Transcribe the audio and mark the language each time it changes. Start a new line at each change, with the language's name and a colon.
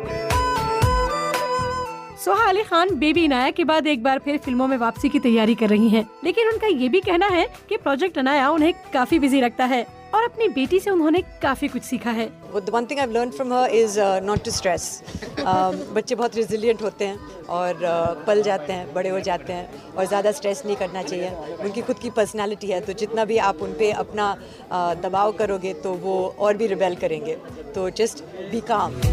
Urdu: سوہا Ali Khan baby نایا کے بعد ایک بار پھر فلموں میں واپسی کی تیاری کر رہی ہیں، لیکن ان کا یہ بھی کہنا ہے کہ پروجیکٹ انایا انہیں کافی بزی رکھتا ہے اور اپنی بیٹی سے انہوں نے کافی کچھ سیکھا ہے۔
English: The one thing I've learned from her is not to stress.
Urdu: بچے بہت ریزیلینٹ ہوتے ہیں اور پل جاتے ہیں، بڑے ہو جاتے ہیں، اور زیادہ سٹریس نہیں کرنا چاہیے۔ ان کی خود کی پرسنالٹی ہے، تو جتنا بھی آپ ان پہ اپنا دباؤ کرو گے تو وہ اور بھی ریبیل کریں گے، تو
English: Just be calm.